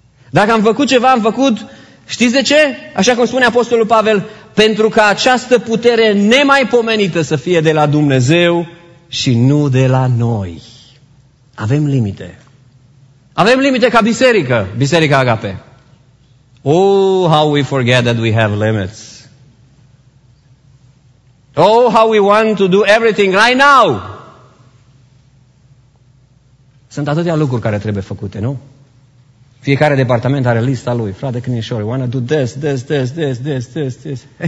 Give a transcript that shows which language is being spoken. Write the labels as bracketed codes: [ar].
[ro] Dacă am făcut ceva, am făcut, știți de ce? Așa cum spune Apostolul Pavel, pentru că această putere nemaipomenită să fie de la Dumnezeu și nu de la noi. Avem limite. Avem limite ca biserică, biserica Agape. [en] Oh, how we forget that we have limits. Oh, how we want to do everything right now. [ro] Sunt atâtea lucruri care trebuie făcute, nu? Fiecare departament are lista lui. [en] Frate Crinișor, we want to do this, this, this, this, this, this, this.